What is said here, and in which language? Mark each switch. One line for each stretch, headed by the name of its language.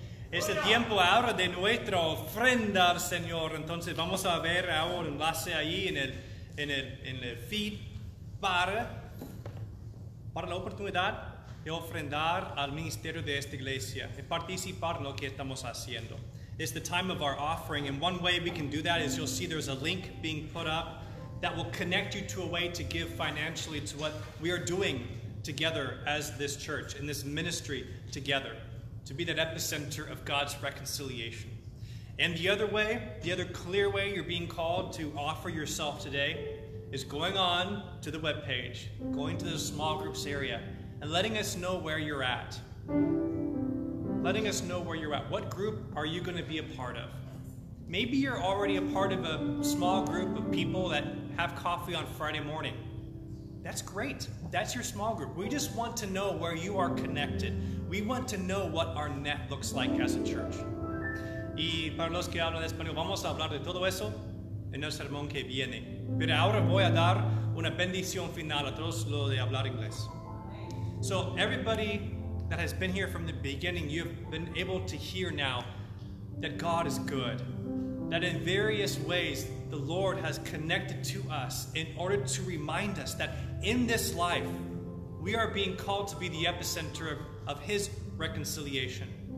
Spanish: Es el tiempo ahora de nuestra ofrenda al Señor. Entonces vamos a ver ahora un enlace ahí en el feed para la oportunidad de ofrendar al ministerio de esta iglesia y participar en lo que estamos haciendo.
English: It's the time of our offering, and one way we can do that is you'll see there's a link being put up that will connect you to a way to give financially to what we are doing together as this church, in this ministry together, to be that epicenter of God's reconciliation. And the other way, the other clear way you're being called to offer yourself today is going on to the webpage, going to the small groups area, and letting us know where you're at. Letting us know where you're at. What group are you going to be a part of? Maybe you're already a part of a small group of people that have coffee on Friday morning. That's great. That's your small group. We just want to know where you are connected. We want to know what our net looks like as a church.
Spanish: Y para los que hablan español, vamos a hablar de todo eso en el sermón que viene. Pero ahora voy a dar una bendición final a todos los de hablar inglés.
English: So everybody that has been here from the beginning, you've been able to hear now that God is good, that in various ways the Lord has connected to us in order to remind us that in this life we are being called to be the epicenter of His reconciliation.